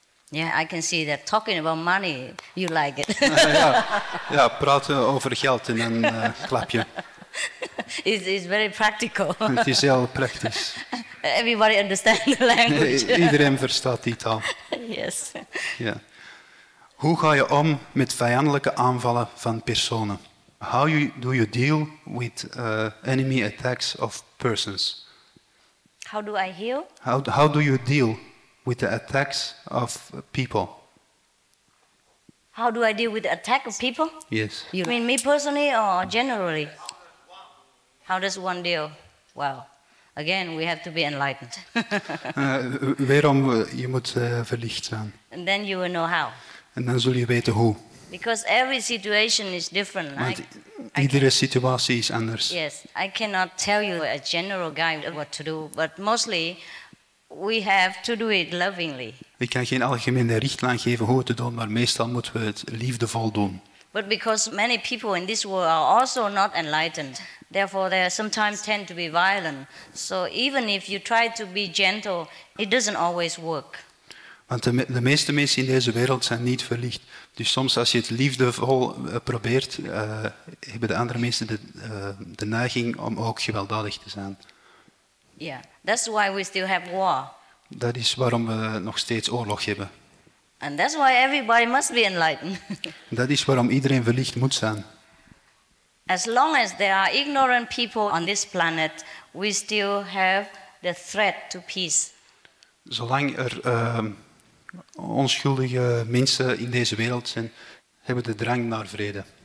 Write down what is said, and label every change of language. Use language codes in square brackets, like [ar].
[en] Yeah, I can see that talking about money, you like it. [nl] Ja, praten over geld en dan klap je. [en] It's very practical. [nl] Het is heel praktisch. [en] Everybody understands the language. [nl] Iedereen verstaat die taal. [en] Yes. [nl] Ja. Hoe ga je om met vijandelijke aanvallen van personen? [en] How do you deal with enemy attacks of persons? How do I heal? How do you deal with the attacks of people? How do I deal with the attack of people? Yes. You mean me personally or generally? How does one deal? Well, again, we have to be enlightened. [nl] Waarom je moet verlicht zijn? [en] And then you will know how. [nl] En dan zul je weten hoe. [en] Because every situation is different. [nl] Iedere situatie is anders. [en] Yes, I cannot tell you a general guide what to do, but mostly we have to do it lovingly. [nl] Ik kan geen algemene richtlijn geven hoe het te doen, maar meestal moeten we het liefdevol doen. [en] But because many people in this world are also not enlightened, therefore they sometimes tend to be violent. So even if you try to be gentle, it doesn't always work. [nl] Want de meeste mensen in deze wereld zijn niet verlicht. Dus soms als je het liefdevol probeert, hebben de andere mensen de neiging om ook gewelddadig te zijn. [en] Yeah, that's why we still have war. [nl] Dat is waarom we nog steeds oorlog hebben. [en] And that's why everybody must be enlightened. [nl] Dat is waarom iedereen verlicht moet zijn. [en] As long as there are ignorant people on this planet, we still have the threat to peace. [nl] Zolang er onschuldige mensen in deze wereld zijn, hebben de drang naar vrede.